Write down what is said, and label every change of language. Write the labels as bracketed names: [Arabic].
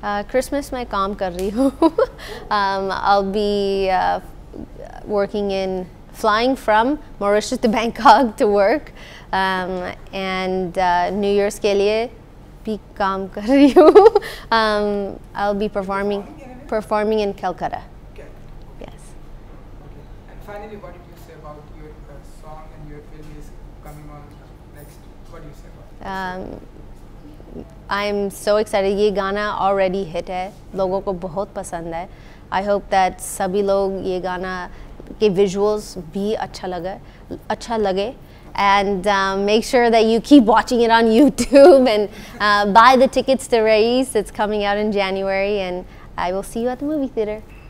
[Hindi] Christmas mein kaam kar rahi hu. [English] I'll be working in flying from Mauritius to Bangkok to work, and [Hindi] New Year's ke liye bhi kaam kar rahi hu. [English] I'll be performing in Calcutta. Okay. Yes. Okay. And finally, what did you say about your song and your film is coming on next? What do you say about it? I'm so excited. [Hindi] ये गाना already hit है, लोगों को बहुत पसंद है. [English] I hope that [Hindi] सभी लोग ये गाना के visuals भी अच्छा लगे [English] and make sure that you keep watching it on YouTube and buy the tickets to Raees. It's coming out in January and I will see you at the movie theater.